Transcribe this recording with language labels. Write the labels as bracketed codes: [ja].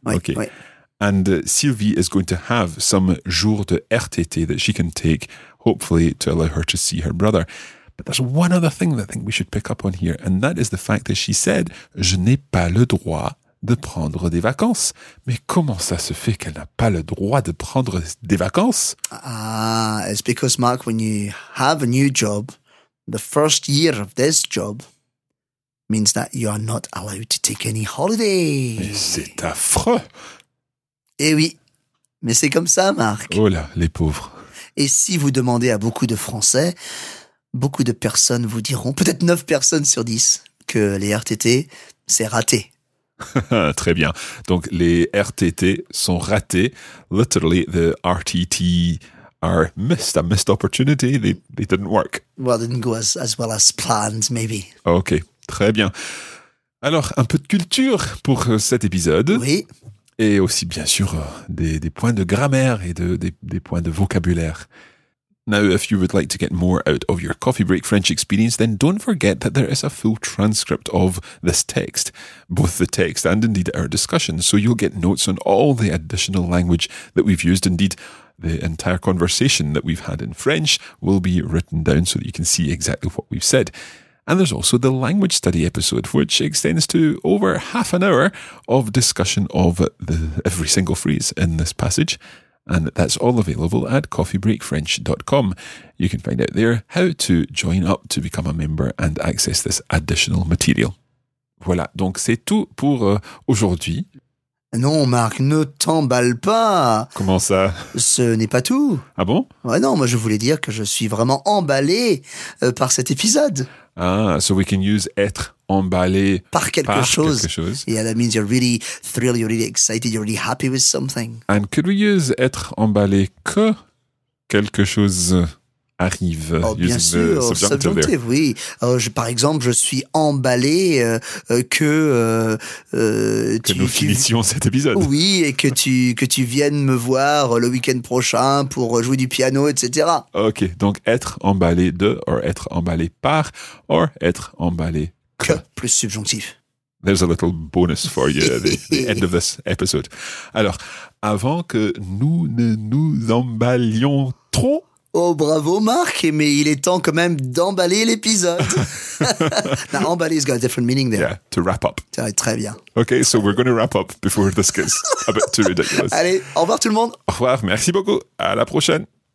[fr] oui, [en] okay. [fr] Oui. [en] And Sylvie is going to have some [fr] jours de RTT [en] that she can take, hopefully to allow her to see her brother. But there's one other thing that I think we should pick up on here, and that is the fact that she said, [fr] je n'ai pas le droit de prendre des vacances. Mais comment ça se fait qu'elle n'a pas le droit de prendre des vacances? [en] It's because, Mark, when you have a new job, the first year of this job means that you are not allowed to take any holiday. [fr] Mais c'est affreux! Eh oui, mais c'est comme ça, Marc. Oh là, les pauvres. Et si vous demandez à beaucoup de Français, beaucoup de personnes vous diront, peut-être 9 personnes sur 10, que les RTT, c'est raté. Très bien. Donc, les RTT sont ratés. [en] Literally, the RTT are missed, a missed opportunity. They didn't work. Well, didn't go as well as planned, maybe. [fr] OK, très bien. Alors, un peu de culture pour cet épisode. Oui. Et aussi, bien sûr, des points de grammaire et des points de vocabulaire. [en] Now, if you would like to get more out of your Coffee Break French experience, then don't forget that there is a full transcript of this text, both the text and indeed our discussion. So you'll get notes on all the additional language that we've used. Indeed, the entire conversation that we've had in French will be written down so that you can see exactly what we've said. And there's also the language study episode, which extends to over half an hour of discussion of every single phrase in this passage. And that's all available at coffeebreakfrench.com. You can find out there how to join up to become a member and access this additional material. [fr] Voilà, donc c'est tout pour aujourd'hui. Non, Marc, ne t'emballe pas. Comment ça? Ce n'est pas tout. Ah bon? Ouais, non, moi je voulais dire que je suis vraiment emballé par cet épisode. [en] Ah, so we can use [fr] être emballé par quelque chose. Quelque chose. [en] Yeah, that means you're really thrilled, you're really excited, you're really happy with something. And could we use [fr] être emballé que quelque chose arrive? [en] Oh, using [fr] bien sûr, [en] the subjunctive there. [fr] Oui. Par exemple, je suis emballé que nous finissions cet épisode. Oui, et que tu viennes me voir le week-end prochain pour jouer du piano, etc. Ok, donc être emballé de, or être emballé par, or être emballé que. Plus subjonctif. [en] There's a little bonus for you at the end of this episode. [fr] Alors, avant que nous ne nous emballions trop. Oh, bravo, Marc, mais il est temps quand même d'emballer l'épisode. [en] Now, emballer has got a different meaning there. Yeah, to wrap up. [fr] Très bien. [en] Okay, so we're going to wrap up before this gets a bit too ridiculous. [fr] Allez, au revoir tout le monde. Au revoir, merci beaucoup. À la prochaine.